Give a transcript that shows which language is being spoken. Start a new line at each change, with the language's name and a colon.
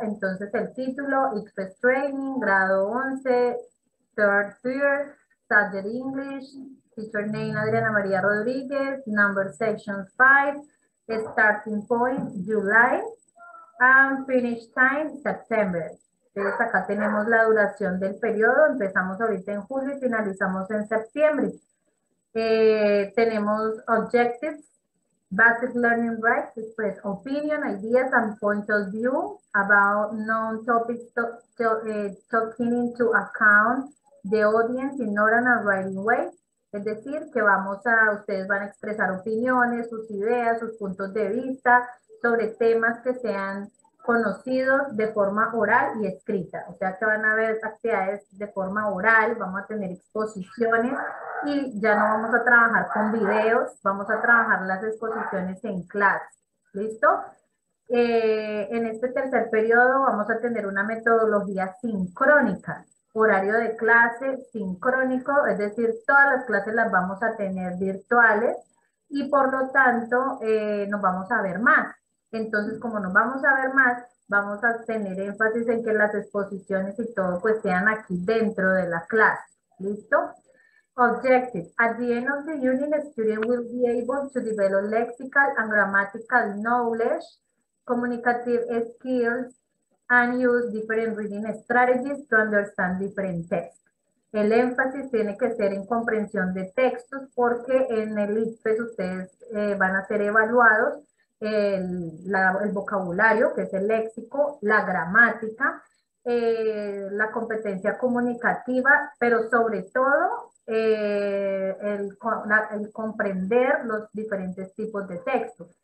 Spanish: Entonces, el título,
English: ICFES Training,
Spanish: grado 11,
English: third year, Standard English, teacher name Adriana María Rodríguez, number section 5, starting point, July, and finish time, September.
Spanish: Entonces acá tenemos la duración del periodo. Empezamos ahorita en julio y finalizamos en septiembre. Tenemos
English: objectives, basic learning rights, express opinion, ideas, and points of view about known topics, taking into account the audience in order and writing way.
Spanish: Es decir, que ustedes van a expresar opiniones, sus ideas, sus puntos de vista sobre temas que sean conocidos de forma oral y escrita. O sea, que van a haber actividades de forma oral, vamos a tener exposiciones y ya no vamos a trabajar con videos, vamos a trabajar las exposiciones en clase. ¿Listo? En este tercer periodo vamos a tener una metodología sincrónica. Horario de clase sincrónico, es decir, todas las clases las vamos a tener virtuales y por lo tanto nos vamos a ver más. Entonces, como nos vamos a ver más, vamos a tener énfasis en que las exposiciones y todo pues sean aquí dentro de la clase. ¿Listo? Objective.
English: At the end of the unit, the student will be able to develop lexical and grammatical knowledge, communicative skills, and use different reading strategies to understand different texts.
Spanish: El énfasis tiene que ser en comprensión de textos porque en el ICFES ustedes van a ser evaluados el vocabulario, que es el léxico, la gramática, la competencia comunicativa, pero sobre todo el comprender los diferentes tipos de textos.